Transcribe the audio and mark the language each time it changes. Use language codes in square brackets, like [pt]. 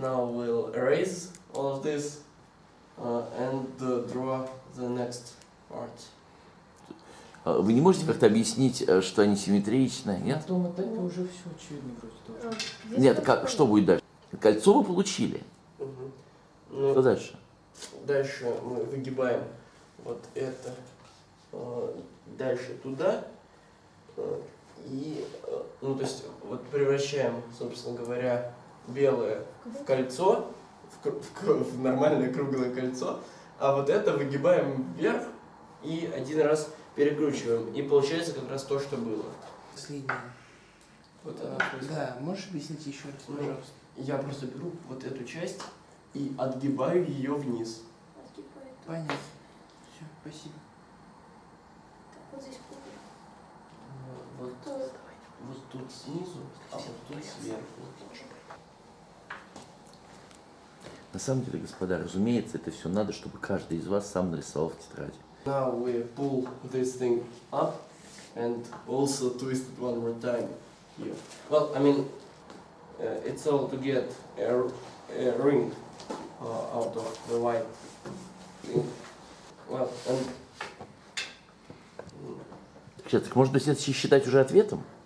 [en] Now we'll erase all of this and draw the next part. [ru] Вы не можете как-то объяснить, что они симметричны? Нет? На том этапе уже все очевидно вроде тоже. Нет, как, что будет дальше? Кольцо вы получили. Угу. Что дальше? дальше мы выгибаем вот это дальше туда, и, ну, то есть, вот превращаем, собственно говоря, белое в кольцо, в нормальное круглое кольцо, а вот это выгибаем вверх и один раз перекручиваем, и получается как раз то, что было. Последнее. Вот она. Да, можешь объяснить еще раз, пожалуйста? Я просто беру вот эту часть и отгибаю ее вниз. Отгибаю. Понятно. Все, спасибо. Так, вот здесь кубик. Вот, вот тут снизу, а вот тут сверху. На самом деле, господа, разумеется, это все надо, чтобы каждый из вас сам нарисовал в тетради. [en] Now we pull this thing up and also twist it one more time here. Well, I mean, it's all to get a ring out of the white thing. Well, and... [ru] Сейчас, так можно все считать уже ответом?